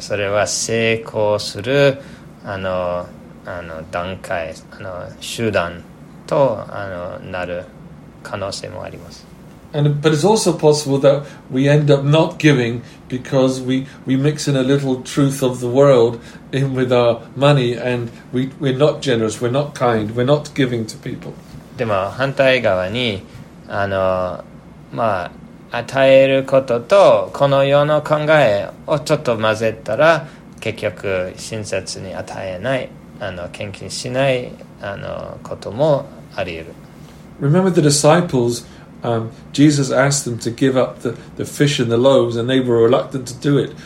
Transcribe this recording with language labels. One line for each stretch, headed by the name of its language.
Japanese: それは成功する段階、手段となる。可能性もあります。
English: But it's also possible that we end up not giving because we mix in a little truth of the world in with our money and we're not generous, we're not kind, we're not giving to people.
Japanese: でも反対側に与えることとこの世の考えをちょっと混ぜたら結局親切に与えない献金しないこともあり得る。
English: Remember the disciples, Jesus asked them to give up the fish and the loaves, and they were reluctant to do it.